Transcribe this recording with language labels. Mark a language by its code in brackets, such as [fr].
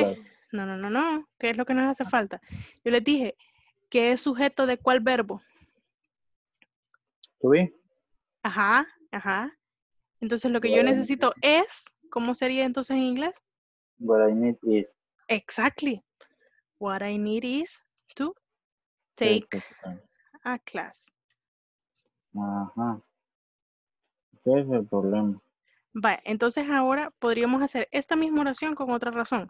[en] a class. [es] No. ¿Qué es lo que nos hace falta? Yo les dije, ¿qué es sujeto de cuál verbo? [en] To be. Ajá. [es] Entonces lo que yo necesito es, ¿cómo sería entonces en inglés? [en] What I need is. Exactly. What I need is to take a class. [es] Ajá. ¿Qué es el problema? Vaya, entonces ahora podríamos hacer esta misma oración con otra razón.